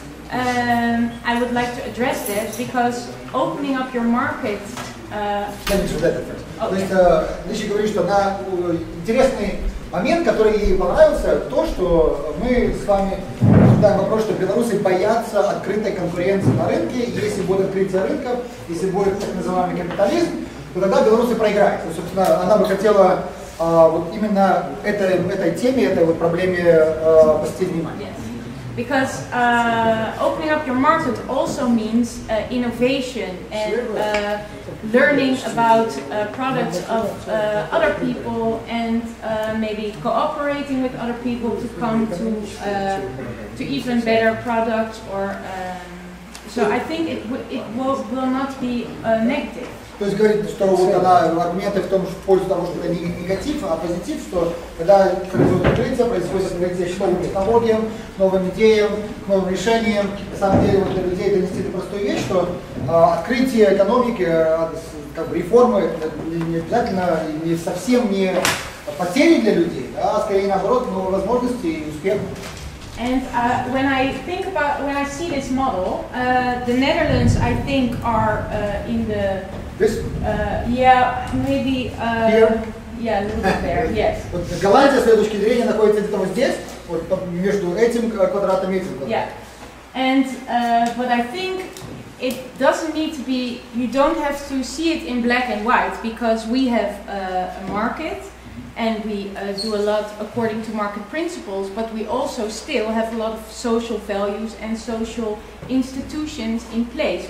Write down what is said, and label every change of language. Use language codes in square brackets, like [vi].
[en] I would like to address that because opening up your market. Let me translate that first. [ru] Okay. То есть, Лиша говорит, что она интересный момент, который ей понравился, то, что мы с вами обсуждаем вопрос, что белорусы боятся открытой конкуренции на рынке, если будет открытие рынков, если будет так называемый капитализм, то тогда белорусы проиграют. То есть, собственно, она бы хотела вот именно этой теме, этой вот проблеме обратить внимание. [en] Yes. Because opening up your market also means innovation and learning about products of other people and maybe cooperating with other people to come to even better products. Or so I think it will not be negative. [ru] То есть говорит, что вот она аргументы в том, что в пользу того, что это не негатив, а позитив, что когда производит открытие, происходит открытие к новым технологиям, к новым идеям, к новым решениям. На самом деле вот для людей донести это простую вещь, что открытие экономики, как бы реформы, не обязательно не совсем не потери для людей, да, а скорее наоборот, новые возможности и успех. [en] And when I see this model, the Netherlands, I think, are in the this. Maybe. Here. Yeah, a little bit there. Yes. [ru] Голландия, с точки зрения, находится где-то здесь, вот между этим квадратом и этим квадратом. [en] Yeah. And but I think it doesn't need to be. You don't have to see it in black and white because we have a market. And we do a lot according to market principles, but we also still have a lot of social values and social institutions in place.